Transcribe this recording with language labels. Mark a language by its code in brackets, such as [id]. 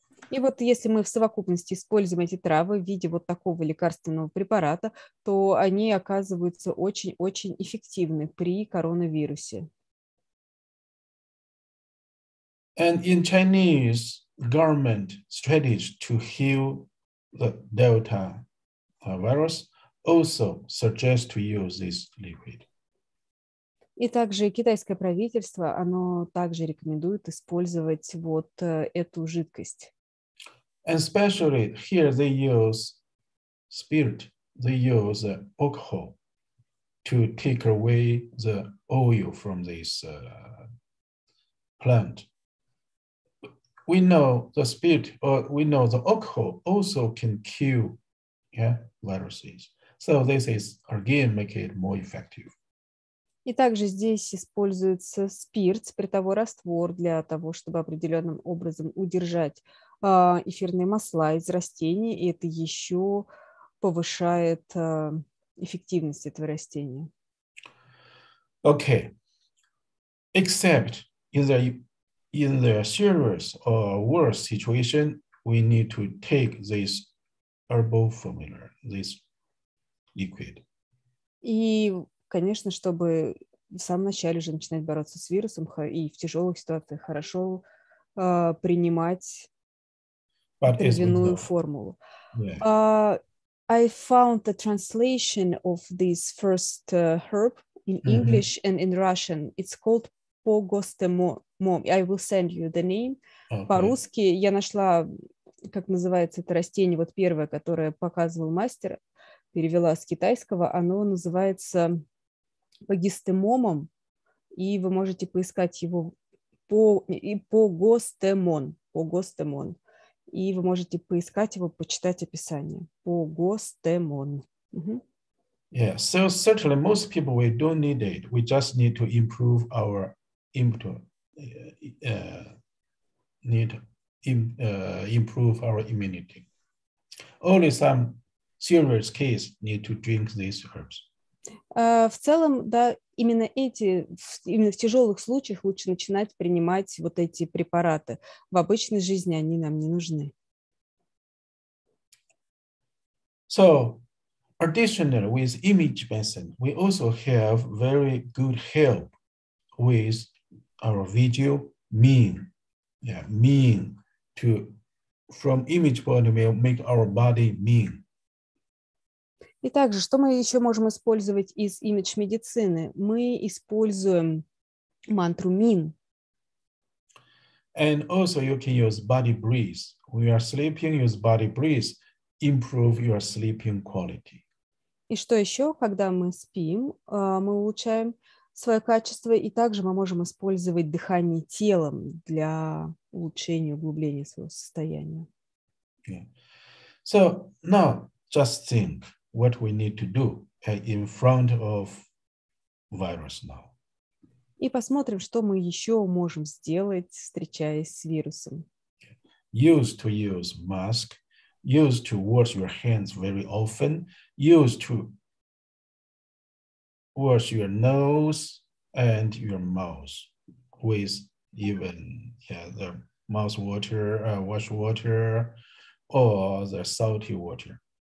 [ru] И вот если мы в совокупности используем эти травы в виде вот такого лекарственного препарата, то они оказываются очень-очень эффективны при коронавирусе. [en] And in Chinese government strategy to heal the Delta virus also suggests to use this liquid. [ru] И также китайское правительство, оно также рекомендует использовать вот эту жидкость. [en] And especially here they use spirit, they use alcohol to take away the oil from this plant. We know the spirit, or we know the alcohol also can kill viruses. So this is, again, make it more effective. [ru] И также здесь используется спирт, спиртовой раствор для того, чтобы определенным образом удержать эфирные масла из растений, и это еще повышает эффективность этого растения. [en] Okay. Except in the serious or worse situation, we need to take this herbal formula, this liquid. [ru] И, конечно, чтобы в самом начале же начинать бороться с вирусом и в тяжелых ситуациях хорошо принимать травяную формулу. [en] Yeah. I found the translation of this first herb in English and in Russian. It's called погостемом. I will send you the name. Okay. [ru] По-русски я нашла, как называется это растение, вот первое, которое показывал мастер, перевела с китайского. Оно называется погистемомом, и вы можете поискать его по гостемон, и вы можете поискать его, почитать описание. По гостемон. [en] Yeah, so certainly most people, we don't need it. We just need to improve our immunity. Only some serious case need to drink these herbs. [ru] В целом, да, именно в тяжелых случаях лучше начинать принимать вот эти препараты. В обычной жизни они нам не нужны. [en] So, additionally, with image medicine, we also have very good help with our video mean to, from image point of view, make our body mean. [ru] И также, что мы еще можем использовать из имидж-медицины? Мы используем мантру мин. [en] And also you can use body breeze. When you are sleeping, use body breeze. Improve your sleeping quality. [ru] И что еще? Когда мы спим, мы улучшаем свое качество. И также мы можем использовать дыхание телом для улучшения, углубления своего состояния. [en] Yeah. So now just think what we need to do in front of virus now. [ru] И посмотрим, что мы еще можем сделать, встречаясь с вирусом. [en] Use to use mask, use to wash your hands very often, use to wash your nose and your mouth with even the mouth water, wash water, or the salty water.